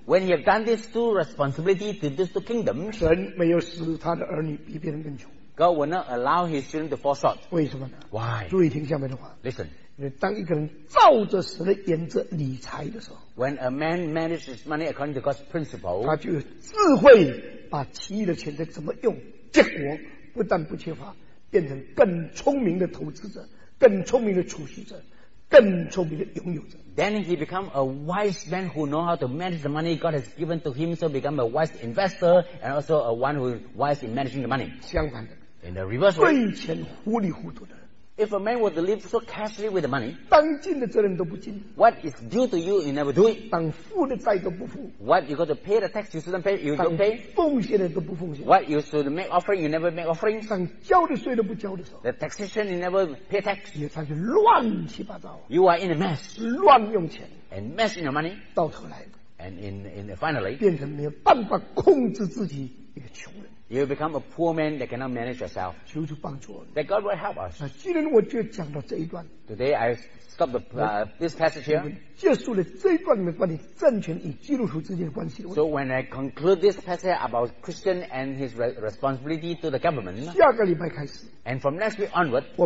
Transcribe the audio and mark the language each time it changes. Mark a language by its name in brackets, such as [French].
[English] when he have done these two responsibilities to these two kingdoms, [Chinese] 神没有使他的儿女比别人更穷。 [English] God will not allow his children to fall short. [Chinese] 为什么呢? [English] Why? [Chinese] 注意听下面的话。 [English] Listen. [Chinese] 当一个人照着神的原则理财的时候, [English] when a man manages his money according to God's principle, [Chinese] 他就有智慧把其余的钱再怎么用, 结果不但不缺乏, 变成更聪明的投资者, 更聪明的储蓄者, 更聪明的拥有者。 [English] Then he become a wise man who know how to manage the money God has given to him, so become a wise investor and also a one who is wise in managing the money. [Chinese] 相反的, [English] in the reverse way, [Chinese] 对钱糊里糊涂的, [English] if a man were to live so carefully with the money, [Chinese] 当尽的责任都不尽, [English] what is due to you, you never do it. [Chinese] 当付的债都不付, [English] what you got to pay the tax, you shouldn't pay, you don't pay. [Chinese] 当奉献的都不奉献, [English] what you should make offering, you never make offering. [Chinese] 当交的税都不交的时候, [English] the taxation, you never pay tax. [Chinese] 也算是乱七八糟, [English] you are in a mess. [Chinese] 乱用钱, [English] and mess in your money. [Chinese] 到头来, [English] and in the finally, [Chinese] 变成没有办法控制自己一个穷人。 [English] You become a poor man that cannot manage yourself. [Chinese] 求主帮助我们, [English] that God will help us. [Chinese] 今天我就讲到这一段, [English] today I stop this passage here. [Chinese] 结束了这一段里面关于政权与基督徒之间的关系的问题, [English] so when I conclude this passage about Christian and his responsibility to the government, [Chinese] 下个礼拜开始, [English] and from next week onward,